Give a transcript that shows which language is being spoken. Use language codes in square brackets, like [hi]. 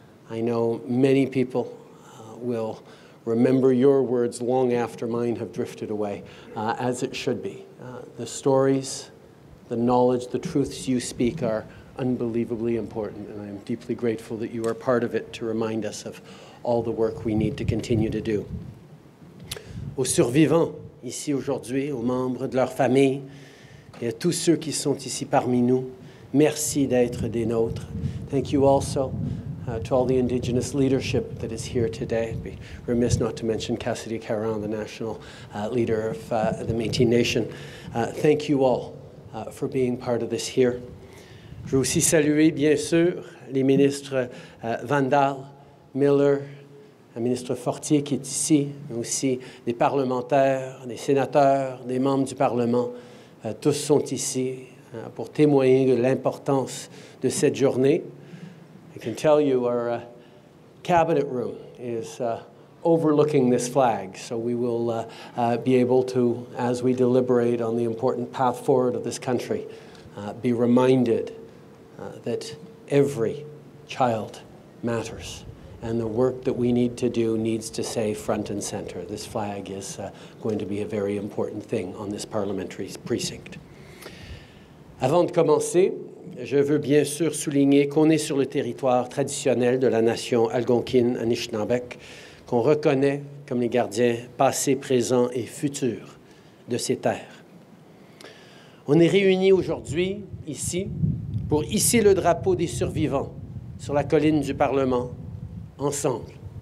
[en] I know many people will remember your words long after mine have drifted away, as it should be. The stories, the knowledge, the truths you speak are unbelievably important, and I am deeply grateful that you are part of it to remind us of all the work we need to continue to do. [fr] Aux survivants ici aujourd'hui, aux membres de leur famille, et à tous ceux qui sont ici parmi nous, merci d'être des nôtres. [en] Thank you also to all the Indigenous leadership that is here today. I'd be remiss not to mention Cassidy Caron, the national leader of the Métis Nation. Thank you all for being part of this here. [fr] Je veux aussi saluer, bien sûr, les ministres Vandal, Miller, le ministre Fortier qui est ici, mais aussi des parlementaires, des sénateurs, des membres du Parlement. Tous sont ici pour témoigner de l'importance de cette journée. [en] I can tell you our cabinet room is overlooking this flag, so we will be able to, as we deliberate on the important path forward of this country, be reminded that every child matters, and the work that we need to do needs to stay front and center. This flag is going to be a very important thing on this parliamentary precinct. [fr] Avant de commencer, je veux bien sûr souligner qu'on est sur le territoire traditionnel de la nation algonquine Anishinaabe, qu'on reconnaît comme les gardiens passés, présents et futurs de ces terres. On est réunis aujourd'hui, ici, pour hisser le drapeau des survivants sur la colline du Parlement, ensemble.